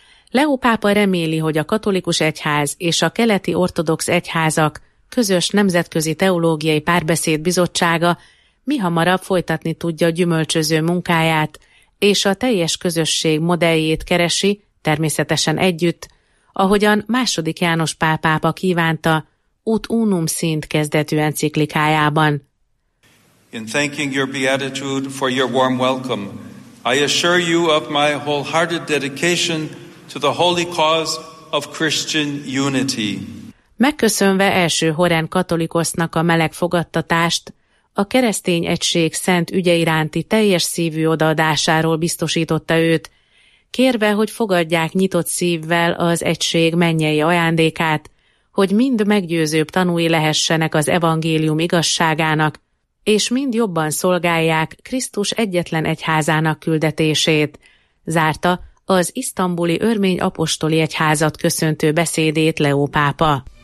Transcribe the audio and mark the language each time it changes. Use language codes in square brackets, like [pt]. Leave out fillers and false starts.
[hu] Leó pápa reméli, hogy a katolikus egyház és a keleti ortodox egyházak közös nemzetközi teológiai párbeszéd bizottsága mihamarabb folytatni tudja gyümölcsöző munkáját, és a teljes közösség modelljét keresi, természetesen együtt, ahogyan II. János Pál pápa kívánta Ut Unum Sint kezdetű enciklikájában. [en] In thanking your beatitude for your warm welcome, I assure you of my wholehearted dedication to the holy cause of Christian unity. [hu] Megköszönve első horrend katolikusnak a meleg fogadtatást, a keresztény egység szent ügye iránti teljes szívű odaadásáról biztosította őt, kérve, hogy fogadják nyitott szívvel az egység mennyei ajándékát, hogy mind meggyőzőbb tanúi lehessenek az evangélium igazságának, és mind jobban szolgálják Krisztus egyetlen egyházának küldetését, zárta az isztambuli örmény apostoli egyházat köszöntő beszédét Leó pápa.